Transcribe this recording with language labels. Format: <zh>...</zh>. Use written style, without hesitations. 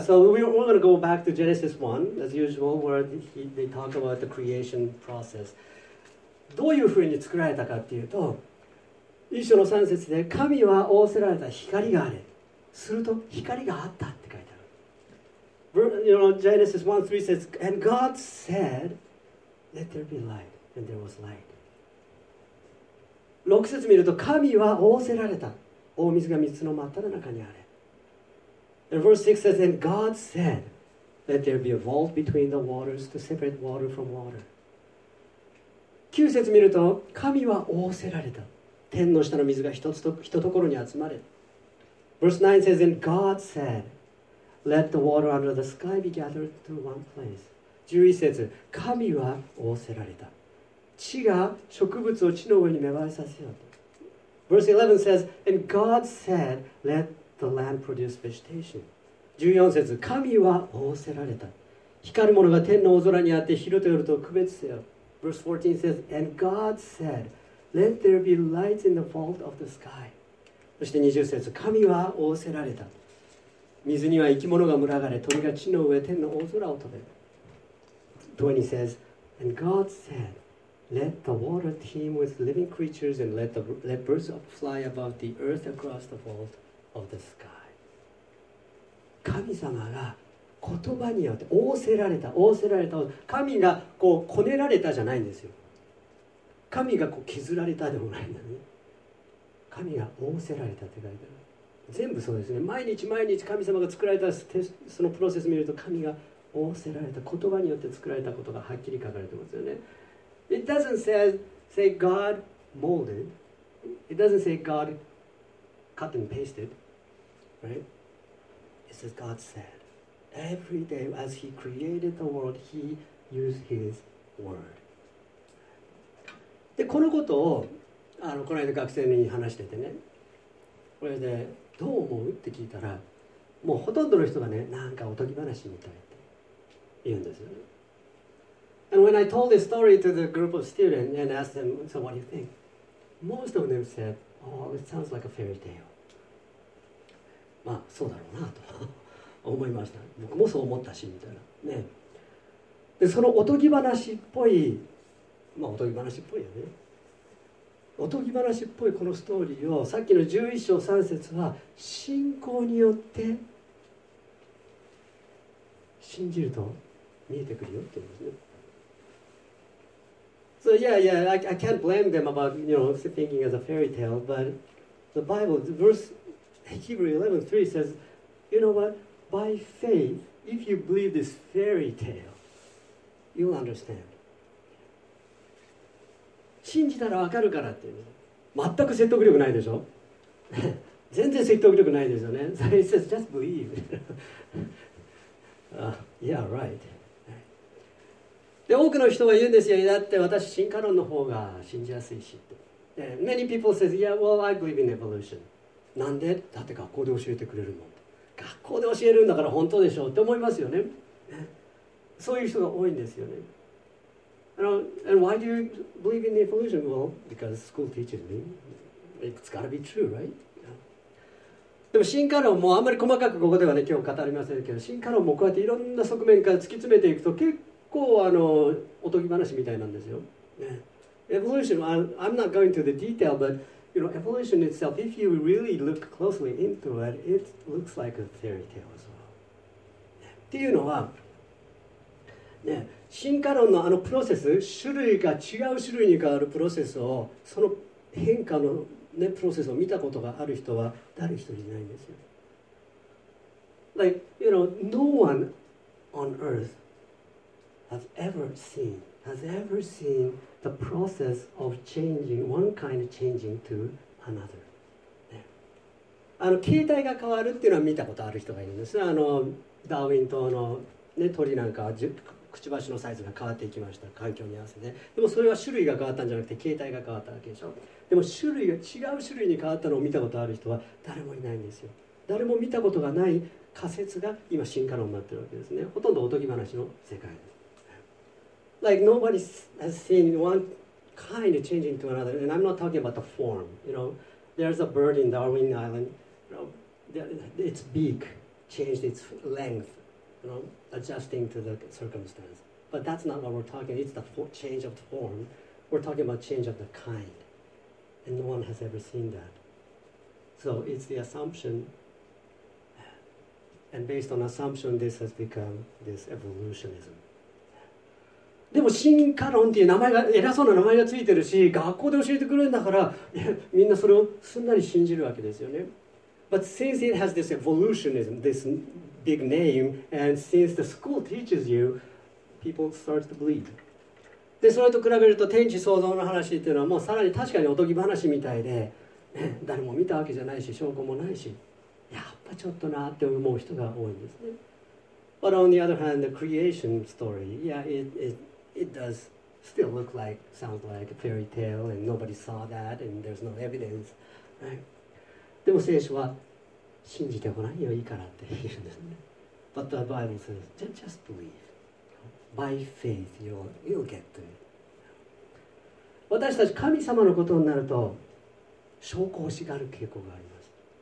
<en>So we're going to go back to Genesis 1, as usual, where they talk about the creation process.</en> <ja>どういうふうに作られたかっていうと、一章の三節で神は仰せられた光があれ。すると光があったって書いてある。</ja> <en>You know, Genesis 1:3 says, And God said, Let there be light, and there was light.</en> <ja>6節見ると神は仰せられた。大水が水の真っ只中にあれ。</ja> <en>And verse 6 says, And God said, Let there be a vault between the waters to separate water from water.</en> <ja>9節見ると神は仰せられた。天の下の水が一ところに集まれ。</ja> <en>Verse 9 says, And God said, Let the water under the sky be gathered to one place.</en> <ja>11節、神は仰せられた。地が植物を地の上に芽生えさせよう。</ja> <en>Verse 11 says, And God said, Let the land produce vegetation.</en> <ja>14節、神は仰せられた。光るものが天の大空にあって昼と夜と区別せよ。</ja> <en>Verse 14 says, And God said, Let there be light in the vault of the sky.</en> <ja>そして20節、神は仰せられた。水には生き物が群がれ、鳥が地の上、天の大空を飛べる。</ja> <en>20 says, And God said, Let the water teem with living creatures, and let the birds fly above the earth across the vault of the sky.</en> <ja>神様が言葉によって仰せられた、仰せられた。神がこうこねられたじゃないんですよ。神がこう削られたでもないんだね。神が仰せられたって書いてある。全部そうですね。毎日毎日神様が作られたそのプロセスを見ると、神が仰せられた、言葉によって作られたことがはっきり書かれてますよね。</ja> <en>It doesn't say God molded. It doesn't say God cut and pasted. Right? It says God said. Every day as he created the world, he used his word.</en> <ja>で、このことをこの間学生に話しててね、これでどう思うって聞いたら、もうほとんどの人がね、なんかおとぎ話みたいって言うんですよね。</ja> <en>And when I told this story to the group of students and asked them, so what do you think? Most of them said, oh, it sounds like a fairy tale.</en> <ja>まあそうだろうなと思いました。僕もそう思ったしみたいなね。で、そのおとぎ話っぽい、まあおとぎ話っぽいよね、おとぎ話っぽいこのストーリーを、さっきの11章3節は信仰によって信じると見えてくるよって言うんですね。</ja> <en>So yeah, yeah, I can't blame them about, you know, thinking as a fairy tale, but the Bible, the verse Hebrew 11:3 says, you know what, by faith, if you believe this fairy tale, you'll understand.</en> <ja>信じたらわかるからっていう、ね、全く説得力ないでしょ全然説得力ないですよね。</ja> <en>So he says, just believe. yeah, right.</en> <ja>で、多くの人が言うんですよ。だって私、進化論の方が信じやすいしって。</ja> <en>Many people says, yeah, well, I believe in evolution.</en> <ja>なんで？だって学校で教えてくれるもん。学校で教えるんだから本当でしょって思いますよね。そういう人が多いんですよね。</ja> <en>And why do you believe in the evolution? Well, because school teaches me. It's got to be true, right?</en> <ja>でも進化論もあんまり細かくここではね、今日語りませんけど、進化論もこうやっていろんな側面から突き詰めていくと、結構おとぎ話みたいなんですよ。</ja> <en>Evolution, I'm not going to the detail, but you know, evolution itself, if you really look closely into it, it looks like a fairy tale as well.</en> <ja>っていうのは、ね、進化論のあのプロセス、種類が違う種類に変わるプロセスを、その変化の、ね、プロセスを見たことがある人は誰一人いないんですよ。</ja> <en>Like, you know, no one on earth has ever seen the process of changing, one kind of changing to another.、ね、</en> <ja>形態が変わるっていうのは見たことある人がいるんですね。ダーウィン島の、ね、鳥なんかは、くちばしのサイズが変わっていきました。環境に合わせて。でもそれは種類が変わったんじゃなくて、形態が変わったわけでしょ。でも種類が違う種類に変わったのを見たことある人は誰もいないんですよ。誰も見たことがない仮説が今進化論になってるわけですね。ほとんどおとぎ話の世界です。</ja> <en>Like nobody has seen one kind of changing to another. And I'm not talking about the form. You know, there's a bird in Darwin Island. You know, its beak changed its length. You know, adjusting to the circumstance. But that's not what we're talking. It's the change of form. We're talking about change of the kind. And no one has ever seen that. So it's the assumption. And based on assumption, this has become this evolutionism.</en> <ja>でも進化論っていう名前が、偉そうな名前がついてるし、学校で教えてくれるんだから、みんなそれをすんなり信じるわけですよね。</ja> <en>But since it has this evolutionism, this... big name, and since the school teaches you, people start to believe.</en> <ja>で、それと比べると天地創造の話っていうのはもうさらに確かにおとぎ話みたいで、誰も見たわけじゃないし、証拠もないし、やっぱちょっとなって思う人が多いんですね。</ja> <en>But on the other hand, the creation story, yeah, it does still look like, sounds like a fairy tale, and nobody saw that, and there's no evidence, right?</en> <ja>でも聖書は信じてごらんよ、いいからって言うんですね。</ja> <en>But the Bible says, just believe. By faith, you'll get to it.</en> <ja>私たち神様のことになると、証拠をしがる傾向があります。</ja>